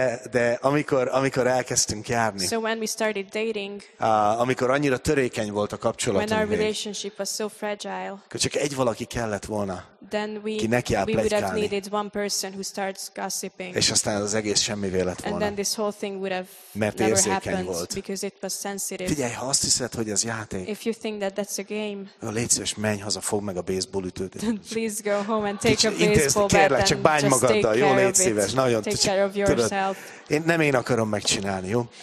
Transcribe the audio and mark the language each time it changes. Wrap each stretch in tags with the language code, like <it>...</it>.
<hu>De amikor elkezdtünk járni,</hu> <en>so when we started dating,</en> <hu>amikor annyira törékeny volt a kapcsolatunk,</hu> <en>when our relationship was so fragile,</en> <hu>akkor csak egy valaki kellett volna,</hu> <en>then</en> <hu>ki nekiáll plegykálni,</hu> <en>we would have needed one person who starts gossiping,</en> <hu>és aztán az egész semmivé lett volna,</hu> <en>and then this whole thing would have</en> <hu>mert</hu> <en>never</en> <hu>érzékeny</hu> <en>happened</en> <hu>volt.</hu> <en>Because it was sensitive.</en> <hu>Figyelj, ha azt hiszed, hogy ez játék,</hu> <en>if you think that that's a game,</en> <hu>légy szíves, menj haza, fogd meg a baseball ütőt,</hu> <en>then please go home and take a baseball bat,</en> <hu>kérlek, csak bánj magaddal, jó, légy szíves, nagyon,</hu> <en>take care of yourself.</en> <hu>Én akarom megcsinálni, jó?</hu>